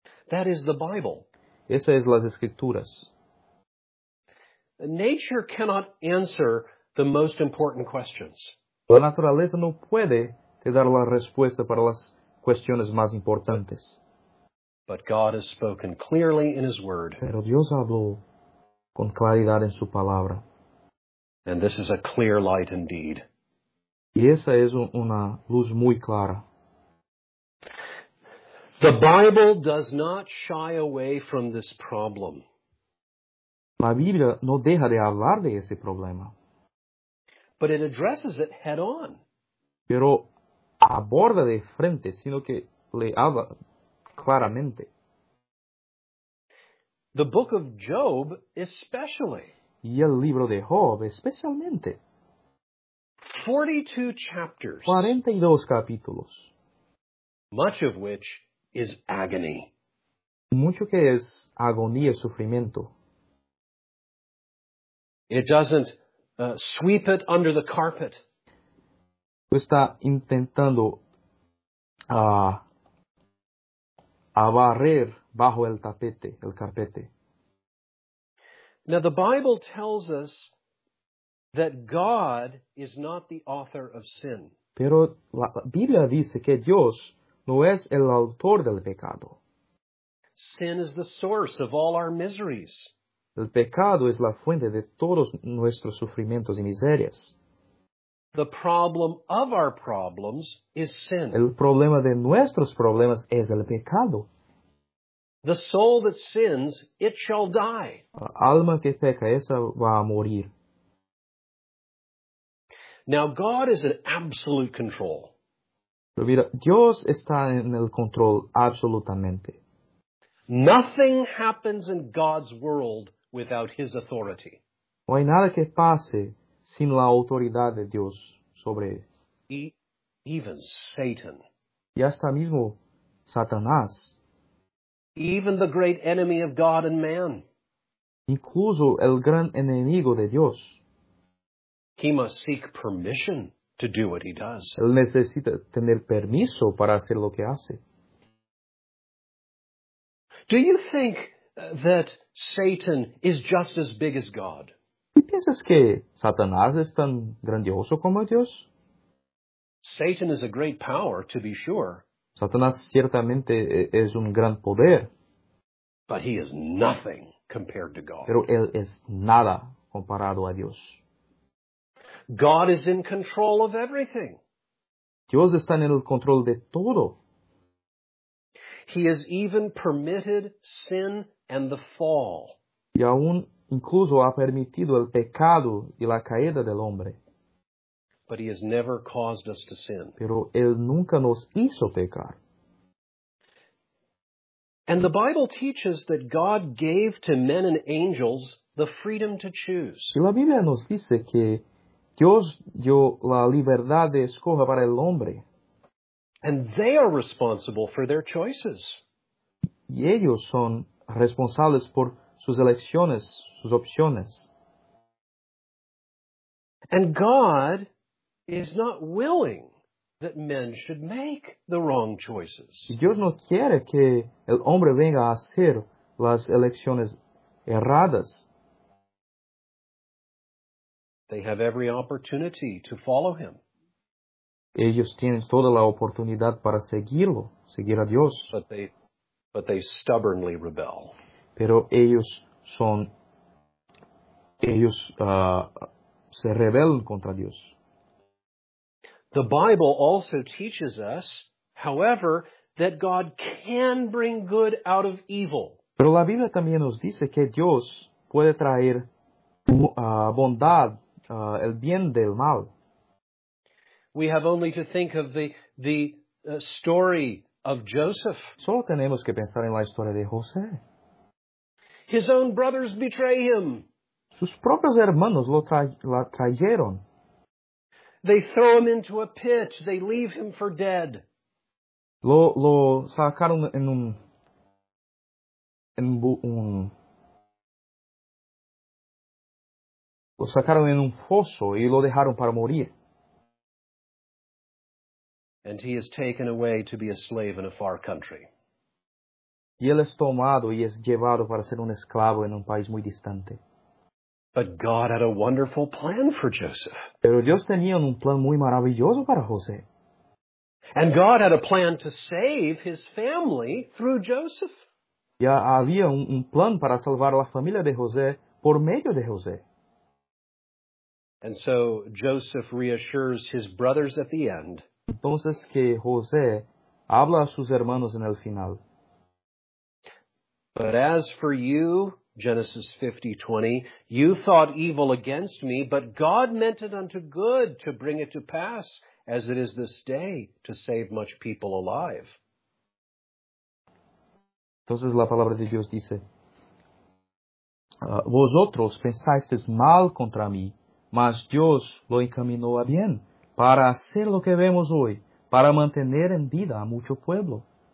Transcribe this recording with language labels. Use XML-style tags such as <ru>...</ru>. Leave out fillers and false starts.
<en>That is the Bible.</en> <es>Esa es las escrituras.</es> <en>Nature cannot answer the most important questions.</en> <es>La naturaleza no puede te dar la respuesta para las cuestiones más importantes.</es> <en>But God has spoken clearly in His Word.</en> <es>Pero Dios habló con claridad en su palabra.</es> <en>And this is a clear light indeed.</en> <es>Y esa es una luz muy clara.</es> <en>The Bible does not shy away from this problem.</en> <es>La Biblia no deja de hablar de ese problema.</es> <en>But it addresses it head on.</en> <es>Pero aborda de frente, sino que le habla claramente.</es> <en>The book of Job especially.</en> <es>Y el libro de Job especialmente.</es> <en>42 chapters.</en> <es>42 capítulos.</es> <en>Much of which is agony.</en> <es>Mucho que es agonía, sufrimiento.</es> <en>It doesn't sweep it under the carpet.</en> <es>Está intentando a barrer bajo el tapete, el carpete.</es> <en>Now the Bible tells us that God is not the author of sin.</en> <es>Pero la Biblia dice que Dios no es el autor del pecado.</es> <en>Sin is the source of all our miseries.</en> <es>El pecado es la fuente de todos nuestros sufrimientos y miserias.</es> <en>The problem of our problems is sin.</en> <es>El problema de nuestros problemas es el pecado.</es> <en>The soul that sins, it shall die.</en> <es>La alma que peca, esa va a morir.</es> <en>Now, God is in absolute control.</en> <es>Mira, Dios está en el control absolutamente.</es> <en>Nothing happens in God's world without His authority.</en> <es>No hay nada que pase sin la autoridad de Dios sobre él.</es> <en>Even Satan.</en> <es>Y hasta mismo Satanás.</es> <en>Even the great enemy of God and man.</en> <es>Incluso el gran enemigo de Dios.</es> <en>He must seek permission to do what he does.</en> <es>Él necesita tener permiso para hacer lo que hace.</es> <en>Do you think that Satan is just as big as God?</en> <es>¿Y piensas que Satanás es tan grandioso como Dios?</es> <en>Satan is a great power, to be sure.</en> <es>Satanás ciertamente es un gran poder.</es> <en>But he is nothing compared to God.</en> <es>Pero él es nada comparado a Dios.</es> <en>God is in control of everything.</en> <es>Dios está en el control de todo.</es> <en>He has even permitted sin and the fall.</en> <es>Y aún incluso ha permitido el pecado y la caída del hombre.</es> <en>But he has never caused us to sin.</en> <es>Pero él nunca nos hizo pecar.</es> <en>And the Bible teaches that God gave to men and angels the freedom to choose.</en> <es>Y la Biblia nos dice que Dios dio la libertad de escoja para el hombre.</es> <en>And they are responsible for their choices.</en> <es>Y ellos son responsables por sus elecciones, sus opciones.</es> <en>And God is not willing that men should make the wrong choices.</en> <es>Y Dios no quiere que el hombre venga a hacer las elecciones erradas.</es> <en>They have every opportunity to follow him.</en> <es>Ellos tienen toda la oportunidad para seguirlo, seguir a Dios.</es> <en>But they stubbornly rebel.</en> <es>Pero se rebelan contra Dios.</es> <en>The Bible also teaches us, however, that God can bring good out of evil.</en> <es>Pero la Biblia también nos dice que Dios puede traer bondad. El bien del mal.</es> <en>We have only to think of the story of Joseph.</en> <es>Solo tenemos que pensar en la historia de José.</es> <en>His own brothers betray him.</en> <es>Sus propios hermanos lo trajeron.</es> <en>They throw him into a pit. They leave him for dead.</en> <es>Lo sacaron en un lo sacaron en un foso y lo dejaron para morir.</es> <en>And he is taken away to be a slave in a far country.</en> <es>Y él es tomado y es llevado para ser un esclavo en un país muy distante.</es> <en>But God had a wonderful plan for Joseph.</en> <es>Pero Dios tenía un plan muy maravilloso para José.</es> <en>And God had a plan to save his family through Joseph.</en> <es>Ya había un plan para salvar la familia de José por medio de José.</es> <en>And so Joseph reassures his brothers at the end.</en> <es>Entonces que José habla a sus hermanos en el final.</es> <en>But as for you, Genesis 50:20, you thought evil against me, but God meant it unto good to bring it to pass, as it is this day, to save much people alive.</en> <es>Entonces la palabra de Dios dice, vosotros pensasteis mal contra mí, mas Dios lo encaminó a bien, para hacer lo que vemos hoy, para mantener en vida a mucho pueblo.</es>